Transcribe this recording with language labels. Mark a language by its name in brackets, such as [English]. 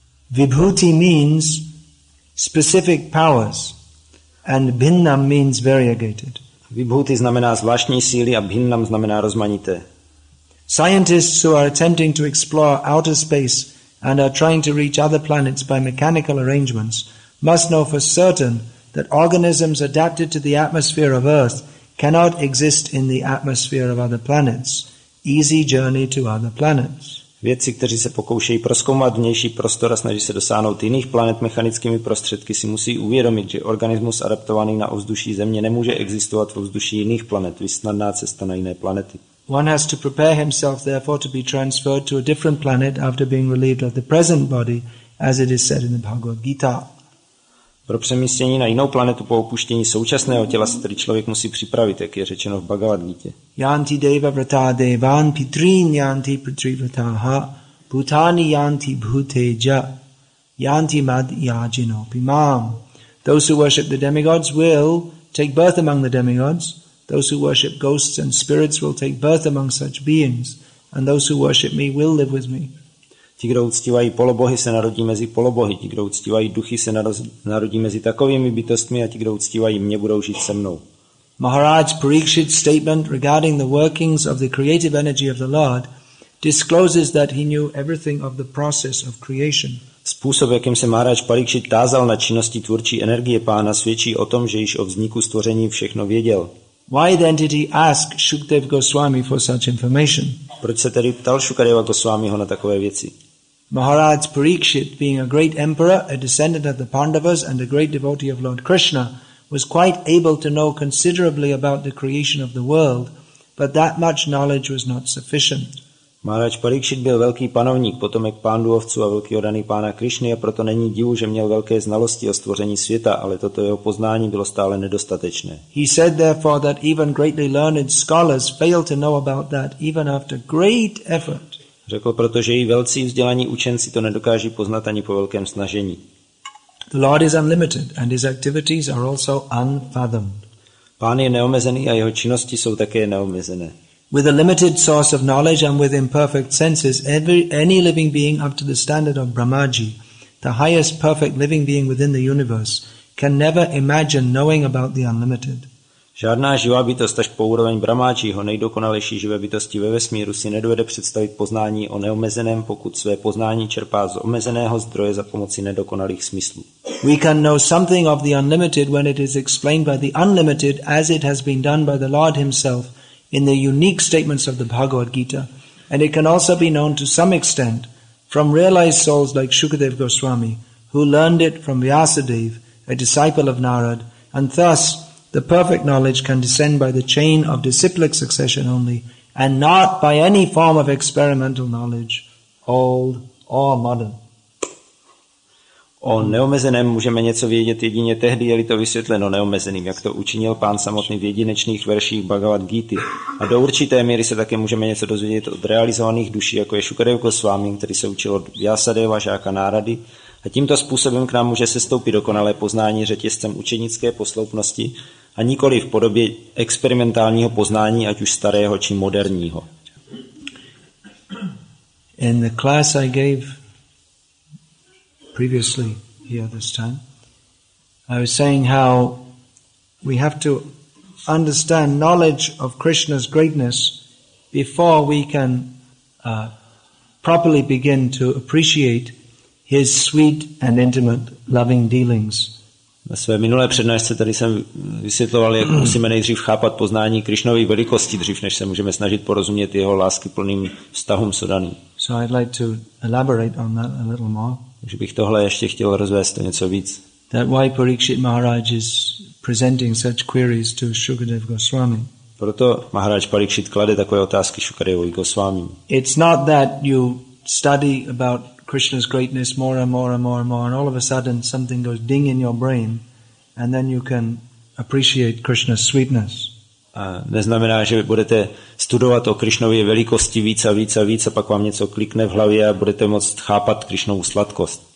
[English] Vibhuti means specific powers and bhinnam means variegated. [Czech] Vibhuti znamená zvláštní síly a bhinnam znamená rozmanité. [English] Scientists who are attempting to explore outer space and are trying to reach other planets by mechanical arrangements must know for certain that organisms adapted to the atmosphere of Earth cannot exist in the atmosphere of other planets. Easy journey to other planets. [Czech] Vědci, kteří se pokoušejí prozkoumat vnější prostor a snaží se dosáhnout jiných planet mechanickými prostředky, si musí uvědomit, že organismus adaptovaný na ovzduší Země nemůže existovat v ovzduší jiných planet, viz snadná cesta na jiné planety. [English] One has to prepare himself therefore to be transferred to a different planet after being relieved of the present body, as it is said in the Bhagavad Gita. [Czech] Pro přemístění na jinou planetu po opuštění současného těla se tedy člověk musí připravit, jak je řečeno v Bhagavad Gītě. [Sanskrit] Yanti deva vrata devan pitrin yanti pitri vrataha bhutani yanti bhuteja yanti mad yajino pimam. [English] Those who worship the demigods will take birth among the demigods. Those who worship ghosts and spirits will take birth among such beings. And those who worship me will live with me. [Czech] Ti, kdo uctívají polobohy, se narodí mezi polobohy. Ti, kdo uctívají duchy, se narodí mezi takovými bytostmi a ti, kdo uctívají mě, budou žít se mnou. [English] Maharaj Parikshit's statement regarding the workings of the creative energy of the Lord discloses that he knew everything of the process of creation. [Czech] Způsob, jakým se Maharaj Parikshit tázal na činnosti tvůrčí energie pána, svědčí o tom, že již o vzniku stvoření všechno věděl. [English] Why then did he ask Shukdev Goswami for such information? [Czech] Proč se tedy ptal Shukadeva Goswamiho na takové věci? [English] Maharaj Parikshit, being a great emperor, a descendant of the Pandavas and a great devotee of Lord Krishna, was quite able to know considerably about the creation of the world, but that much knowledge was not sufficient. [Czech] Maharaj Parikshit byl velký panovník, potomek Pánduovců a velký oddaný pána Krišny, a proto není divu, že měl velké znalosti o stvoření světa, ale toto jeho poznání bylo stále nedostatečné. [English] He said therefore that even greatly learned scholars fail to know about that even after great effort. [Czech] Řekl proto, že i velcí vzdělaní učenci to nedokáží poznat ani po velkém snažení. [English] The Lord is unlimited and his activities are also unfathomed. [Czech] Pán je neomezený a jeho činnosti jsou také neomezené. [English] With a limited source of knowledge and with imperfect senses, any living being up to the standard of Brahmaji, the highest perfect living being within the universe, can never imagine knowing about the unlimited. [Czech] Žádná živá bytost až po úroveň Brahmajiho, nejdokonalejší živé bytosti ve vesmíru, si nedovede představit poznání o neomezeném, pokud své poznání čerpá z omezeného zdroje za pomoci nedokonalých smyslů. [English] We can know something of the unlimited when it is explained by the unlimited as it has been done by the Lord himself in the unique statements of the Bhagavad Gita, and it can also be known to some extent from realized souls like Shukadev Goswami, who learned it from Vyasadeva, a disciple of Narad, and thus the perfect knowledge can descend by the chain of disciplic succession only, and not by any form of experimental knowledge, old or modern. [Czech] O neomezeném můžeme něco vědět jedině tehdy, je-li to vysvětleno neomezeným, jak to učinil pán samotný v jedinečných verších Bhagavad Gita. A do určité míry se také můžeme něco dozvědět od realizovaných duší, jako je Shukadev Goswami, který se učil od Vyasadeva, žáka Narady. A tímto způsobem k nám může sestoupit dokonalé poznání řetězcem učenické posloupnosti a nikoli v podobě experimentálního poznání, ať už starého či moderního. [English] In the class I gave previously here this time, I was saying how we have to understand knowledge of Krishna's greatness before we can properly begin to appreciate his sweet and intimate loving dealings. [Czech] Na své minulé přednášce tady jsem vysvětloval, jak musíme nejdřív chápat poznání Krišnovy velikosti, dřív než se můžeme snažit porozumět jeho láskyplným vztahům sodaný. [English] So I'd like to elaborate on that a little more. [Czech] Takže bych tohle ještě chtěl rozvést něco víc. [English] That why Parikshit Maharaj is presenting such queries to Shukadev Goswami. [Czech] Proto Maharaj Parikshit klade takové otázky Shukadevovi Goswami. [English] It's not that you study about Krishna's greatness more and more and more and more, and all of a sudden something goes ding in your brain, and then you can appreciate Krishna's sweetness. [Czech] A neznamená, že budete studovat o Krišnově velikosti víc a víc a víc, a pak vám něco klikne v hlavě a budete moct chápat Krišnovu sladkost.